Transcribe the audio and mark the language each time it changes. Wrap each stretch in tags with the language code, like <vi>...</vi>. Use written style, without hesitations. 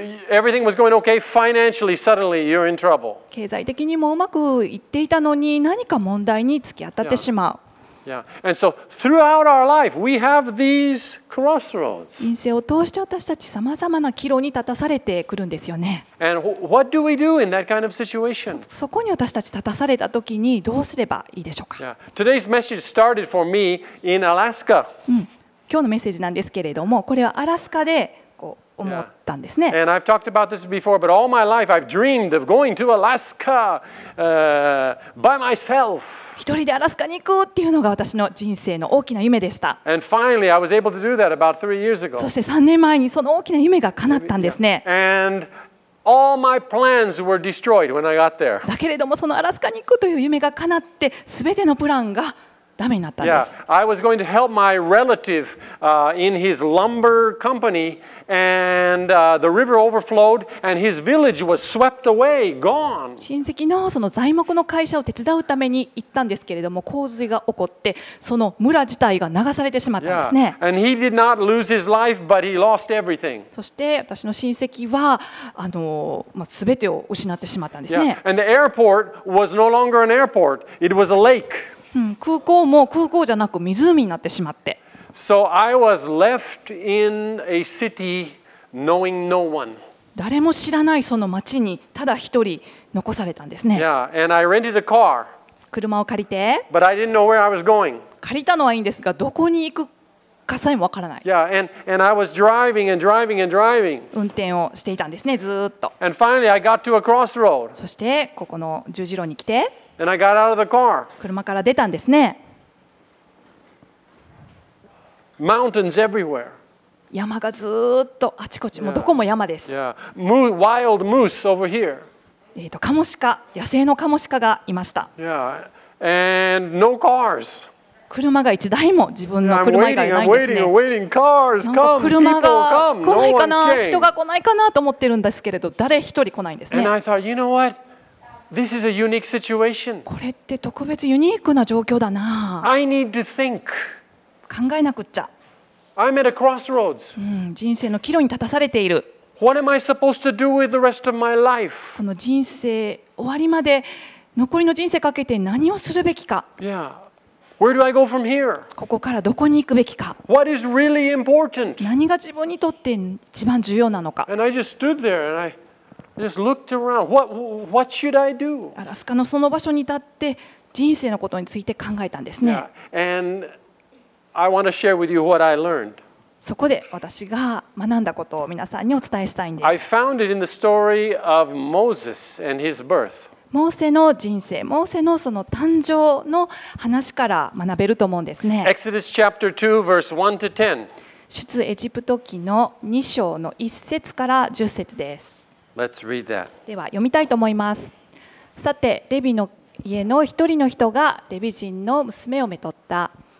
<en>Everything was going okay. Financially, suddenly you're in trouble.</en> <ja>経済的にもうまくいっていたのに何か問題に突き当たってしまう。</ja> <en>And so throughout our life, we have these crossroads.</en> <ja>人生を通して私たちさまざまな岐路に立たされてくるんですよね。</ja> <en>And what do we do in that kind of situation?</en> <ja>そこに私たち立たされた時にどうすればいいでしょうか。</ja> <en>Today's message started for me in Alaska.</en> <ja>今日のメッセージなんですけれども、これはアラスカでこう思ったんですね。</ja> <en>And I've talked about this before, but all my life I've dreamed of going to Alaska, by myself.</en> <ja>一人でアラスカに行くっていうのが私の人生の大きな夢でした。</ja> <en>And finally I was able to do that about 3 years ago.</en> <ja>そして3年前にその大きな夢が叶ったんですね。</ja> <en>And all my plans were destroyed when I got there.</en> <ja>だけれどもそのアラスカに行くという夢が叶って、すべてのプランがダメになったんです。</ja> <en>Yeah, I was going to help my relative, in his lumber company, and, the river overflowed, and his village was swept away, gone.</en> <ja>親戚のその材木の会社を手伝うために行ったんですけれども、洪水が起こって、その村自体が流されてしまったんですね。</ja> <en>Yeah, and he did not lose his life, but he lost everything.</en> <ja>そして私の親戚は、まあ、全てを失ってしまったんですね。</ja> <en>Yeah, and the airport was no longer an airport. It was a lake.</en> <ja>空港も空港じゃなく湖になってしまって。</ja> <en>So I was left in a city knowing no one.</en> <ja>誰も知らないその町にただ一人残されたんですね。</ja> <en>Yeah, and I rented a car.</en> <ja>車を借りて。</ja> <en>But I didn't know where I was going.</en> <ja>借りたのはいいんですが、どこに行くかさえもわからない。</ja> <en>Yeah, and I was driving and driving and driving.</en> <ja>運転をしていたんですね、ずっと。</ja> <en>And finally I got to a crossroad.</en> <ja>そしてここの十字路に来て。</ja> <en>And I got out of the car.</en> <ja>車から出たんですね。</ja> <en>Mountains everywhere.</en> <ja>山がずっとあちこち、もうどこも山です。</ja> <en>Yeah. Wild moose over here.</en> <ja>カモシカ、野生のカモシカがいました。</ja> <en>Yeah. And no cars.</en> <ja>車が一台も、自分の車以外ないんですね。</ja> <en>I'm waiting. Cars come.</en> <ja>車が来ないかな、人が来ないかなと思ってるんですけれど、誰一人来ないんですね。</ja> <en>And I thought, you know what? This is a unique situation.</en> <ja>これって特別ユニークな状況だな。</ja> <en>I need to think.</en> <ja>考えなくっちゃ。</ja> <en>I'm at a crossroads.</en> <ja>人生の岐路に立たされている。</ja> <en>What am I supposed to do with the rest of my life?</en> <ja>この人生終わりまで残りの人生かけて何をするべきか。</ja> <en>Yeah. Where do I go from here?</en> <ja>ここからどこに行くべきか。</ja> <en>What is really important?</en> <ja>何が自分にとって一番重要なのか。</ja> <en>And I just stood there and I. Just looked around. What should I do?</en> <ja>アラスカのその場所に立って人生のことについて考えたんですね。</ja> <en>Yeah. And I want to share with you what I learned.</en> <ja>そこで私が学んだことを皆さんにお伝えしたいんです。</ja> <en>I found it in the story of Moses and his birth.</en> <ja>モーセの人生、モーセのその誕生の話から学べると思うんですね。</ja> <en>Exodus chapter 2 verse 1 to 10.</en> <ja>出エジプト記の2章の1節から10節です。</ja> <en>Let's read that.</en> <ja>では読みたいと思います。さて、レビの家の一人の人がレビ人の娘をめとった。</ja>